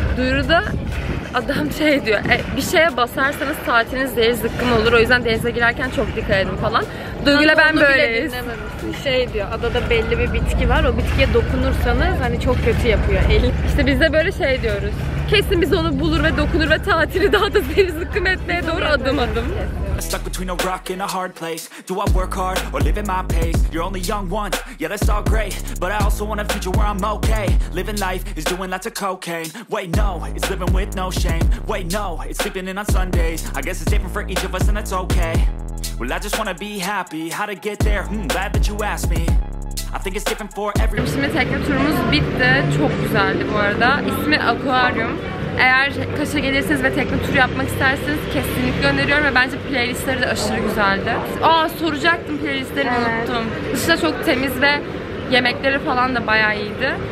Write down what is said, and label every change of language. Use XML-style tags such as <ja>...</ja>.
<tr>Duyuruda adam şey diyor, bir şeye basarsanız saatiniz deri zıkkın olur. O yüzden denize girerken çok dikkat edin falan. Duygu'yla ben böyleyiz. Şey diyor, adada belli bir bitki var. O bitkiye dokunursanız hani çok kötü yapıyor elin. İşte biz de böyle şey diyoruz. Kesin biz onu bulur ve dokunur ve tatili daha da deri zıkkın etmeye doğru adım adım.</tr> <en>Stuck between a rock and a hard place. Do I work hard or live at my pace? You're only young once, yeah that's all great. But I also want a future where I'm okay. Living life is doing lots of cocaine. Wait no, it's living with no shame. Wait no, it's sleeping in on Sundays. I guess it's different for each of us and it's okay. Well I just want to be happy. How to get there, glad that you asked me. I think it's different for everyone.</en> <tr>Şimdi tekne turumuz bitti. Çok güzeldi bu arada. İsmi Aquarium. Eğer Kaş'a gelirsiniz ve tekne turu yapmak isterseniz kesinlikle öneriyorum ve bence playlistleri de aşırı güzeldi. Aa soracaktım playlistlerini evet. Unuttum. Dışı da çok temiz ve yemekleri falan da bayağı iyiydi.</tr>